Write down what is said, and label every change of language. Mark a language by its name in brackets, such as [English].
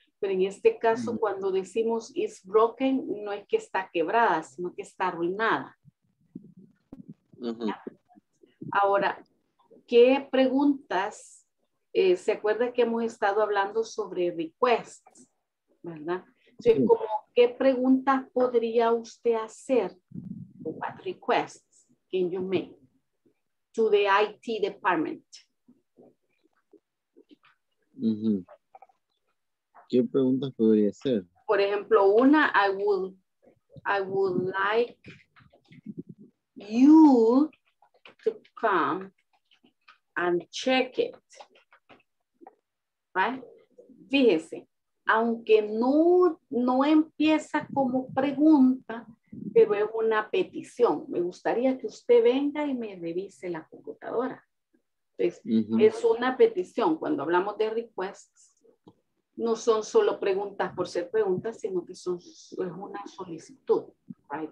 [Spanish] Pero en este caso, cuando decimos [English] is broken, [Spanish] no es que está quebrada, sino que está arruinada. Ahora, ¿qué preguntas? ¿Se acuerda que hemos estado hablando sobre requests? ¿Verdad? O sea, como, ¿qué preguntas podría usted hacer? [English] What requests can you make to the IT department? [Spanish] ¿Qué preguntas podría hacer? Por ejemplo, una, [English] I would like you to come and check it, right? [Spanish] Fíjese, aunque no empieza como pregunta, pero es una petición. Me gustaría que usted venga y me revise la computadora. Entonces, es una petición. Cuando hablamos de requests, no son solo preguntas por ser preguntas, sino que es una solicitud, right?